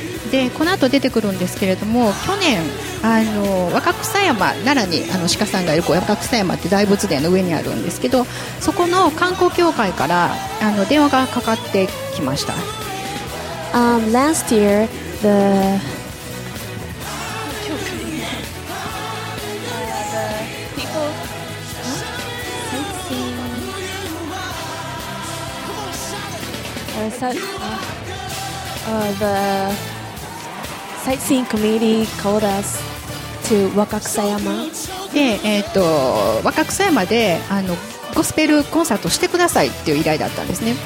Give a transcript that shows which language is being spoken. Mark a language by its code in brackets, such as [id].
[ja] でこの後出てくるんですけれども、去年あの若草山、奈良にあの鹿さんがいる若草山って大仏殿の上にあるんですけど、そこの観光協会からあの電話がかかってきました。 [en] Last year the the sightseeing committee called us to Wakakusayama. [ja] で、Wakakusayama で、あの、ゴスペルコンサートしてくださいっていう依頼だったんですね。